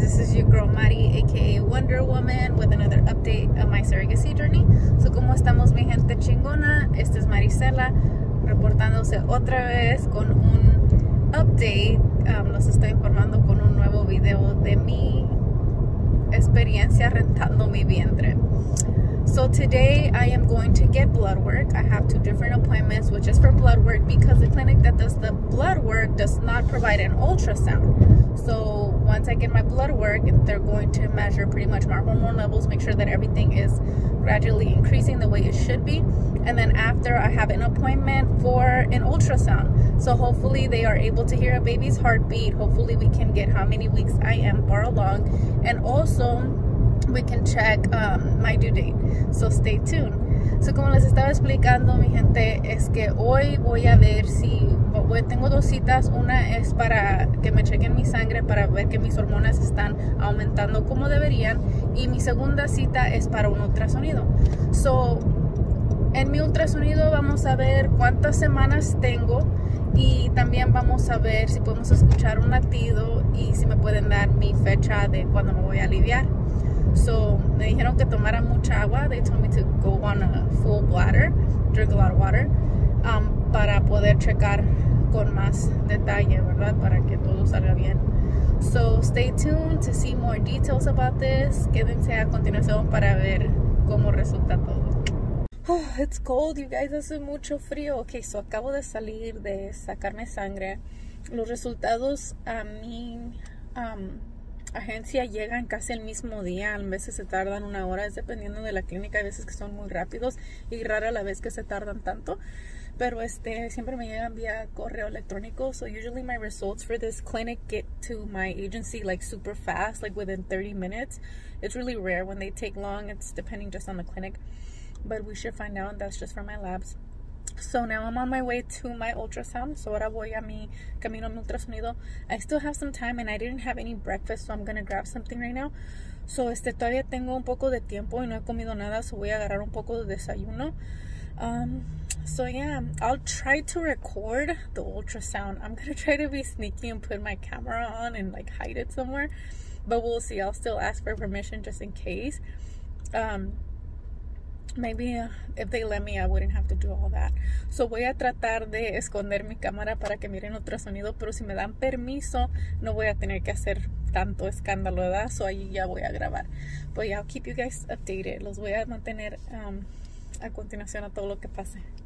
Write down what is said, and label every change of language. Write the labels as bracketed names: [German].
[English] This is your girl Maddie, aka Wonder Woman, with another update of my surrogacy journey. [Spanish] So, ¿cómo estamos, mi gente chingona? Esta es Maricela, reportándose otra vez con un update. Los estoy informando con un nuevo video de mi experiencia rentando mi vientre. [English] So, today I am going to get blood work. I have two different appointments, which is for blood work because the clinic that does the blood work does not provide an ultrasound. So once I get my blood work, they're going to measure pretty much my hormone levels, make sure that everything is gradually increasing the way it should be. And then after, I have an appointment for an ultrasound. So hopefully they are able to hear a baby's heartbeat. Hopefully we can get how many weeks I am far along. And also we can check my due date. So stay tuned. [Spanish] So como les estaba explicando, mi gente, es que hoy voy a ver si... Tengo dos citas. Una es para que me chequen mi sangre para ver que mis hormonas están aumentando como deberían. Y mi segunda cita es para un ultrasonido. So, en mi ultrasonido vamos a ver cuántas semanas tengo. Y también vamos a ver si podemos escuchar un latido y si me pueden dar mi fecha de cuando me voy a aliviar. [English] So, [Spanish] me dijeron que tomara mucha agua. [English] They told me to go on a full bladder, drink a lot of water, [Spanish] para poder checar con más detalle, ¿verdad? Para que todo salga bien. [English] So, stay tuned to see more details about this. [Spanish] Quédense a continuación para ver cómo resulta todo. [English] Oh, it's cold, you guys. [Spanish] Hace mucho frío. Okay, so acabo de salir de sacarme sangre. Los resultados a mi agencia llegan casi el mismo día. A veces se tardan una hora. Es dependiendo de la clínica. Hay veces que son muy rápidos y rara la vez que se tardan tanto. Pero siempre me llegan vía correo electrónico. [English] So usually my results for this clinic get to my agency like super fast, like within 30 minutes. It's really rare when they take long. It's depending just on the clinic. But we should find out. That's just for my labs. So now I'm on my way to my ultrasound. [Spanish] So ahora voy a mi camino a mi ultrasonido. [English] I still have some time and I didn't have any breakfast, so I'm going to grab something right now. [Spanish] So todavía tengo un poco de tiempo y no he comido nada, so voy a agarrar un poco de desayuno. [English] So yeah, I'll try to record the ultrasound. I'm gonna try to be sneaky and put my camera on and like hide it somewhere, but we'll see. I'll still ask for permission just in case. Maybe if they let me, I wouldn't have to do all that. [Spanish] So voy a tratar de esconder mi cámara para que miren ultrasonido, pero si me dan permiso, no voy a tener que hacer tanto escándalo, ¿verdad? [English] So [Spanish] ahí ya voy a grabar. [English] But yeah, I'll keep you guys updated. [Spanish] Los voy a mantener a continuación a todo lo que pase.